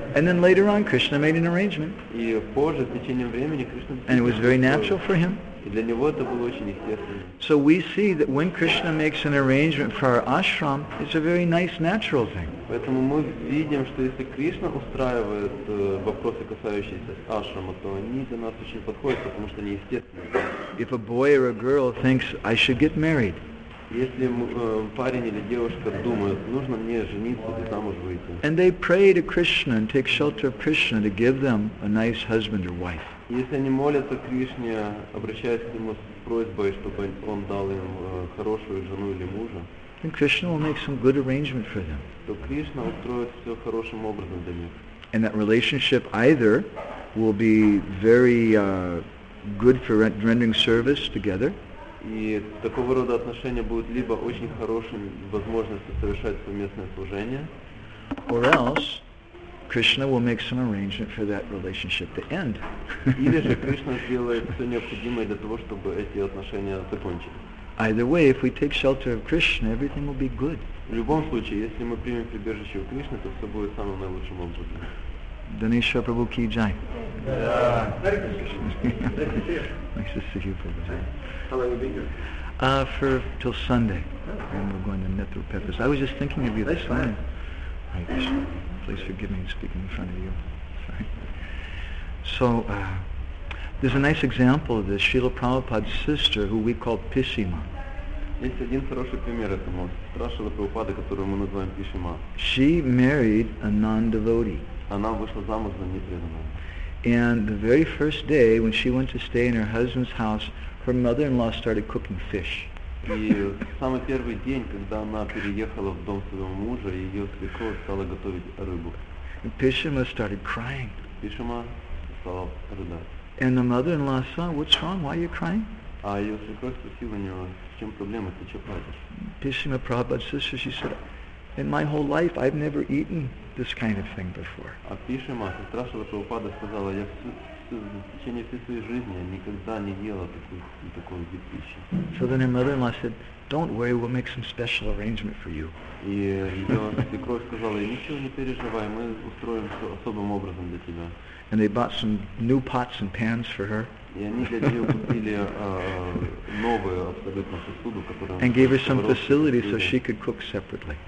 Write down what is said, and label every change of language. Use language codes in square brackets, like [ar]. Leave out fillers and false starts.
[en] And then later on, Krishna made an arrangement. [ru] И позже, с течением времени, Кришна. [en] And it was very natural for him. [ru] И для него это было очень естественно. [en] So we see that when Krishna makes an arrangement for our ashram, it's a very nice natural thing. [ru] Поэтому мы видим, что если Кришна устраивает вопросы, касающиеся ашрама, то они для нас очень подходят, потому что они естественные. [en] If a boy or a girl thinks I should get married. [ru] Если парень или девушка думают, нужно мне жениться или замуж выйти. [en] And they pray to Krishna and take shelter of Krishna to give them a nice husband or wife. [ru] Если они молятся Кришне, обращаясь к нему с просьбой, чтобы он дал им хорошую жену или мужа. [en] Then Krishna will make some good arrangement for them. [ru] То Кришна устроит все хорошим образом для них. [en] And that relationship either will be very good for rendering service together. [ru] И такого рода отношения будут либо очень хорошими возможностью совершать совместное служение. [en] Or else, Krishna will make some arrangement for that relationship to end. [ru] Или же Кришна сделает все необходимое для того, чтобы эти отношения закончились. [en] Either way, if we take shelter of Krishna, everything will be good. [ru] В любом случае, если мы примем прибежище у Кришны, то все будет самым наилучшим образом. [hi] Dinesh Prabhu ki jai. [en] Hare Krishna. Nice to see you, Prabhu. How long have you been here? For till Sunday. Oh, okay. And we're going to Netru Peppers. I was just thinking of you this morning. Hare Krishna. Please forgive me speaking in front of you. Sorry. So there's a nice example of this. Srila Prabhupada's sister, who we call Pishima. [ru] Есть один хороший пример этому. Страшного Прабхупада, которого мы называем Пишима. [en] She married a non-devotee. [ru] Она вышла замуж за непреданного. [en] And the very first day, when she went to stay in her husband's house, her mother-in-law started cooking fish. [ru] И самый первый день, когда она переехала в дом своего мужа, ее свекровь стала готовить рыбу. [en] And Pishima started crying. [ru] Пишима стала рыдать. [en] And the mother-in-law said, "What's wrong? Why are you crying?" [ru] А ее свекровь спросила у нее, "В чем проблема? Ты че плачешь?" [en] Pishima Prabhupada's sister, she said, "In my whole life, I've never eaten this kind of thing before." [ru] А Пишима, сестра Шрила Прабхупады, сказала, "Я в течение всей своей жизни никогда не ела такой вид пищи." [en] So then her mother-in-law said, "Don't worry, we'll make some special arrangement for you." [ru] И ее свекровь сказала, "Ничего не переживай, мы устроим все особым образом для тебя." [en] And they bought some new pots and pans for her. [ru] И они для нее купили новую абсолютно сосуду, которая. [en] And gave her some facilities so she could cook separately.